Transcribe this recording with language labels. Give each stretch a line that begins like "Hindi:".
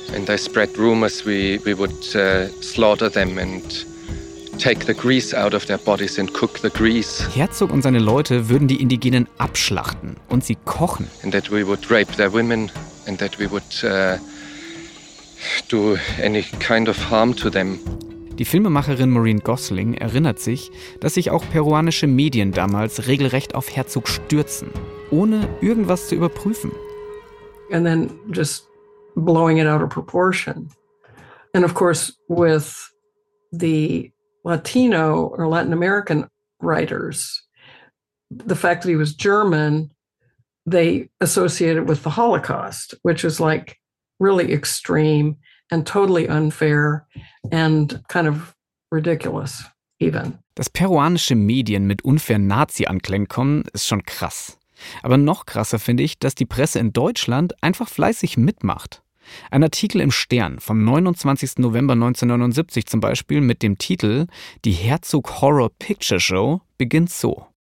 English: And they spread rumors we would slaughter them and take the grease out of their bodies and cook the grease.
German: Herzog und seine Leute würden die Indigenen abschlachten und sie kochen.
English: And that we would rape their women and that we would do any kind of harm to them.
German: Die Filmemacherin Maureen Gosling erinnert sich, dass sich auch peruanische Medien damals regelrecht auf Herzog stürzen, ohne irgendwas zu überprüfen.
English: And then just blowing it out of proportion. And of course with the Latino or Latin American writers, the fact that he was German, they associated with the Holocaust, which is like really extreme and totally unfair and kind of ridiculous even.
German: Dass peruanische Medien mit unfairen Nazi-Anklängen kommen, ist schon krass. Aber noch krasser finde ich, dass die Presse in Deutschland einfach fleißig mitmacht. Ein Artikel im Stern vom 29. November 1979 zum Beispiel mit dem Titel Die Herzog Horror Picture Show beginnt so.